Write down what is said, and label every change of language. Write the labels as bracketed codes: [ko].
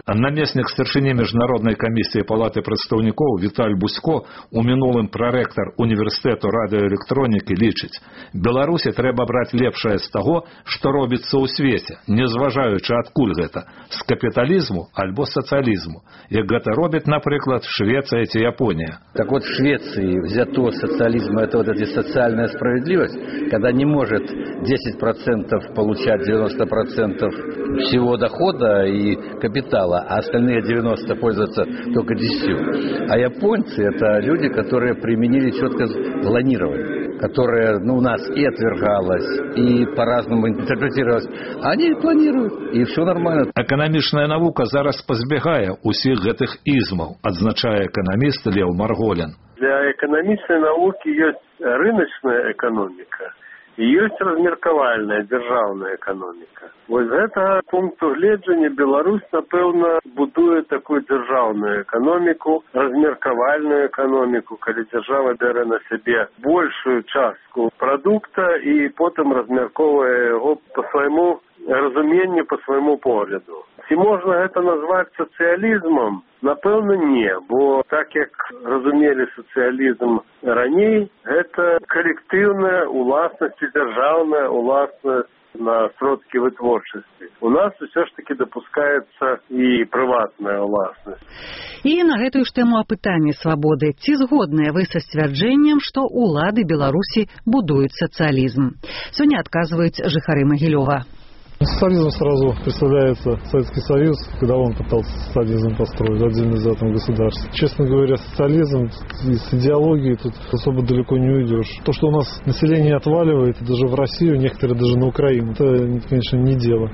[be] Намеснік старшыні Міжнароднай камісіі Палаты прадстаўнікоў Віталь Бусько, у мінулым прарэктар Універсітэту радыёэлектронікі, лічыць, Беларусі трэба браць лепшае з таго, што робіцца ў свеце, не зважаючы адкуль гэта, з капіталізму альбо [ru] социализму, как это робит, например, Швеция и Япония. Так вот, в Швеции взято социализм, это вот эта социальная справедливость, когда не может 10% получать 90% всего дохода и капитала, а остальные 90% пользуются только 10%. А японцы – это люди, которые применили четко планирование, которое у нас и отвергалось, и по-разному интерпретировалось. Они планируют, и все нормально. [be] Экономичная наука зараз позбегая усіх гэтых ізмаў, адзначае эканаміст Леў Марголін. Для эканамічнай навукі ёсць рыначная эканоміка і ёсць размеркавальная дзяржаўная эканоміка. Вось з гэтага пункту гледжання Беларусь, напэўна, будуе такую дзяржаўную эканоміку, размеркавальную эканоміку, калі дзяржава бярэ на сябе большую частку прадукта і потым размяркоўвае яго па свайму разуменню, па свайму погляду. Ці можна гэта назваць сацыялізмам? Напэўна, не, бо так як разумелі сацыялізм раней, гэта калектыўная ўласнасць, дзяржаўная ўласнасць на сродкі вытворчасці. У нас усё ж такі дапускаецца і прыватная ўласнасць. І на гэтую ж тэму апытанні свабоды. Ці згодныя вы са сцвярджэннем, што ўлады Беларусі будуюць сацыялізм? Сёння адказваюць жыхары Магілёва. [ru] Социализм сразу представляется Советский Союз, когда он пытался социализм построить, отдельно взятым государством. Честно говоря, социализм с идеологией тут особо далеко не уйдешь. То, что у нас население отваливает, даже в Россию, некоторые даже на Украину, это, конечно, не дело.